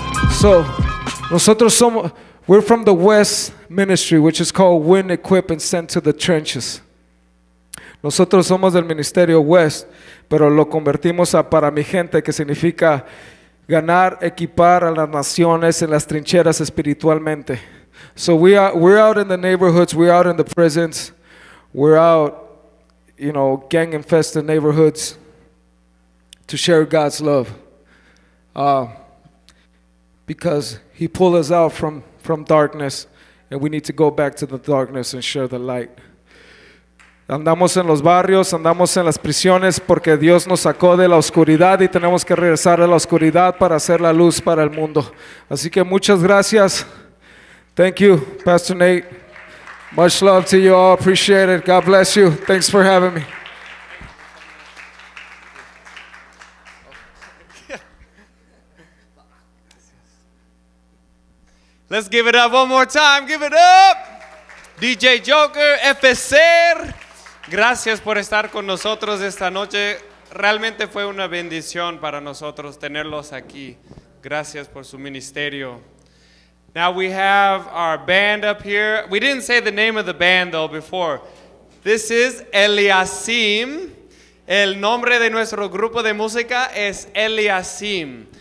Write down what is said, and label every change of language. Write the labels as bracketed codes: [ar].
[en] So, [es] nosotros somos, [en] we're from the West Ministry, which is called Win, Equip, and Send to the Trenches. [es] Nosotros somos del Ministerio West, pero lo convertimos a para mi gente, que significa ganar, equipar a las naciones en las trincheras espiritualmente. [en] So we're out in the neighborhoods, we're out in the prisons, we're out, you know, gang infested neighborhoods to share God's love. Because He pulled us out from darkness, and we need to go back to the darkness and share the light. [es] Andamos en los barrios, andamos en las prisiones, porque Dios nos sacó de la oscuridad y tenemos que regresar a la oscuridad para hacer la luz para el mundo. Así que muchas gracias. [en] Thank you, [es] Pastor Nate. [en] Much love to you all. Appreciate it. God bless you. Thanks for having me. Let's give it up one more time. Give it up. DJ Joker, FSR. [es] Gracias por estar con nosotros esta noche. Realmente fue una bendición para nosotros tenerlos aquí. Gracias por su ministerio. [en] Now we have our band up here. We didn't say the name of the band though before. This is Eliasim. [es] El nombre de nuestro grupo de música es Eliasim.